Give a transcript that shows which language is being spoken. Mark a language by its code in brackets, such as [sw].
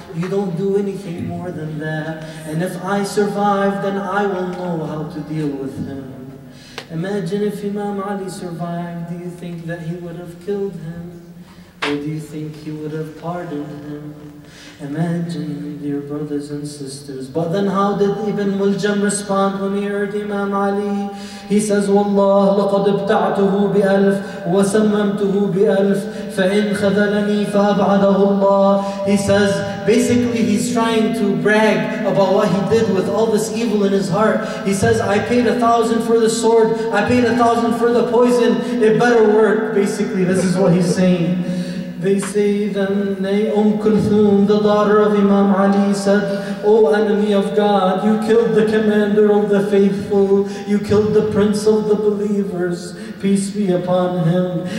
[en] You don't do anything more than that. And if I survive, then I will know how to deal with him. Imagine if Imam Ali survived, do you think that he would have killed him? Or do you think he would have pardoned him? Imagine, dear brothers and sisters. But then how did Ibn Muljam respond when he heard Imam Ali? He says, [ar] Wallah, لقد ابتعته بألف وسممته بألف فإن خذلني فأبعده الله. [en] He says, basically he's trying to brag about what he did with all this evil in his heart. He says, I paid 1,000 for the sword, I paid 1,000 for the poison, it better work. Basically, this is what he's saying. They say then, nay, Umm Kulthum, the daughter of Imam Ali, said, O enemy of God, you killed the commander of the faithful, you killed the prince of the believers, peace be upon him.